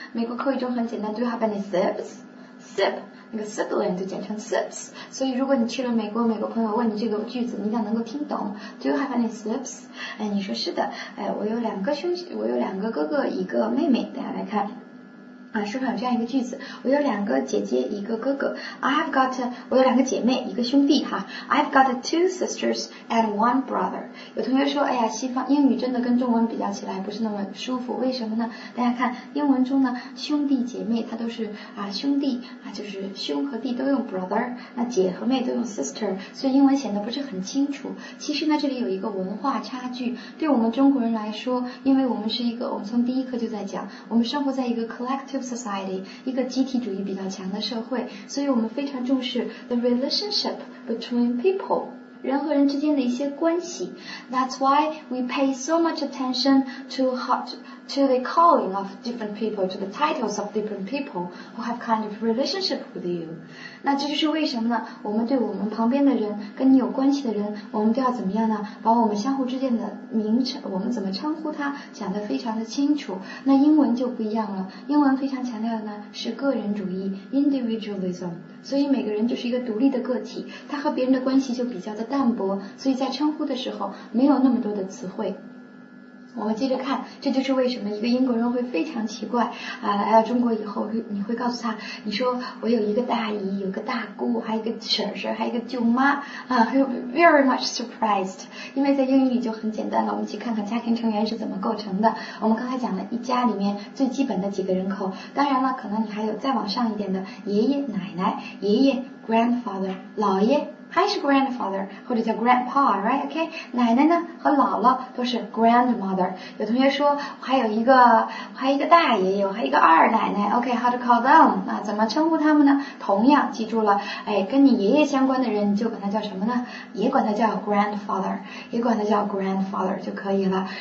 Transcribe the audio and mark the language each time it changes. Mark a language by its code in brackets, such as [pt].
[zh] 美国口语中很简单 ， [en] Do you have any sibs？ [zh] Sib 那个 sibling 就简称 sibs。所以如果你去了美国，美国朋友问你这个句子，你要能够听懂 ， [en] Do you have any sibs？ [zh] 哎，你说是的，哎，我有两个兄弟，我有两个哥哥，一个妹妹。大家来看，啊，书上有这样一个句子，我有两个姐姐，一个哥哥。我有两个姐妹，一个兄弟哈。 [en] I've got 2 sisters and 1 brother。 [zh] 有同学说，哎呀，西方英语真的跟中文比较起来不是那么舒服，为什么呢？大家看，英文中呢，兄弟姐妹它都是啊兄弟啊，就是兄和弟都用 brother， 那姐和妹都用 sister， 所以英文显得不是很清楚。其实呢，这里有一个文化差距，对我们中国人来说，因为我们是一个，我们从第一课就在讲，我们生活在一个 collective society， 一个集体主义比较强的社会，所以我们非常重视 [en] the relationship between people， [zh] 人和人之间的一些关系。 [en] That's why we pay so much attention to the calling of different people, to the titles of different people who have kind of relationship with you. [zh] 那这就是为什么呢？我们对我们旁边的人，跟你有关系的人，我们都要怎么样呢？把我们相互之间的名称，我们怎么称呼他，讲得非常的清楚。那英文就不一样了，英文非常强调的呢，是个人主义 ,individualism。所以每个人就是一个独立的个体，他和别人的关系就比较的淡薄，所以在称呼的时候，没有那么多的词汇。我们接着看，这就是为什么一个英国人会非常奇怪啊，来到中国以后，你会告诉他，你说我有一个大姨，有个大姑，还有一个婶婶，还有一个舅妈啊，会 [en] very much surprised， [zh] 因为在英语里就很简单了。我们去看看家庭成员是怎么构成的。我们刚才讲了一家里面最基本的几个人口，当然了，可能你还有再往上一点的爷爷奶奶、爷爷 grandfather、姥爷还是 grandfather 或者叫 grandpa, right? OK, 奶奶呢和姥姥都是 grandmother. 有同学说还有一个大爷爷，还有一个二奶奶。 [en] OK, how to call them? [zh] 那怎么称呼他们呢？同样记住了，哎，跟你爷爷相关的人你就管他叫什么呢？也管他叫 grandfather, 也管他叫 grandfather 就可以了。